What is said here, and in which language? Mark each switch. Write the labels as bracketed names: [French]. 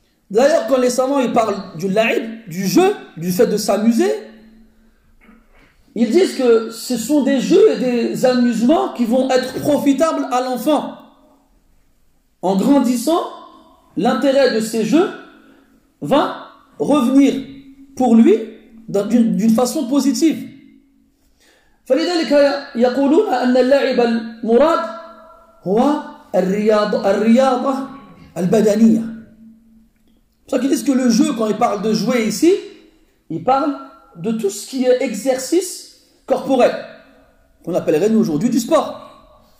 [French] D'ailleurs quand les savants ils parlent du la'ib, du jeu, du fait de s'amuser, ils disent que ce sont des jeux et des amusements qui vont être profitables à l'enfant. En grandissant, l'intérêt de ces jeux va revenir pour lui d'une façon positive. [Arabic] فلذلك يقولون أن اللعب المراد هو الرياضة البدنية. [French] C'est pour ça qu'ils disent que le jeu, quand ils parlent de jouer ici, ils parlent de tout ce qui est exercice corporel, qu'on appellerait nous aujourd'hui du sport.